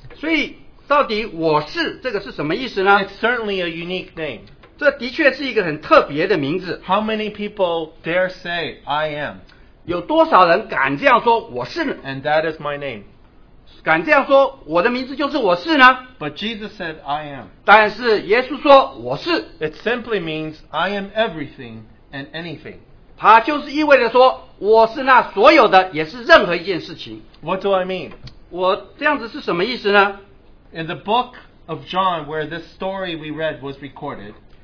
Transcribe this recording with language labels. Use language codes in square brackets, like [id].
[zh] 所以到底我是这个是什么意思呢? [en] It's certainly a unique name. [zh] 这的确是一个很特别的名字。 [en] How many people dare say I am? [zh] 有多少人敢这样说我是呢? [en] And that is my name. [zh] 敢这样说我的名字就是我是呢? [en] But Jesus said I am. [zh] 但是耶稣说我是。 [en] It simply means I am everything and anything. [zh] 它就是意味着说我是那所有的也是任何一件事情。 [en] What do I mean? [zh] 我这样子是什么意思呢? [en] In the book of John, where this story we read was recorded,